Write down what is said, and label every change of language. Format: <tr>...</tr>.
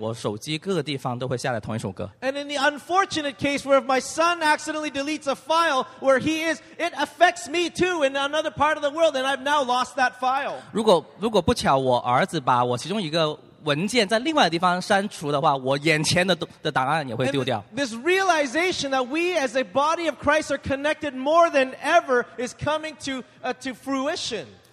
<zh>所以我从电脑里面去下载一首歌呢，不单是那个电脑，而且我手机各个地方都会下载同一首歌。</zh> <en>And in the unfortunate case where if my son accidentally deletes a file where he is, it affects me too in another part of the world, and I've now lost that file.</en> <zh>如果不巧我儿子把我其中一个文件在另外的地方删除的话，我眼前的档案也会丢掉。</zh> <en>This realization that we as a body of Christ are connected more than ever is coming to fruition.</en>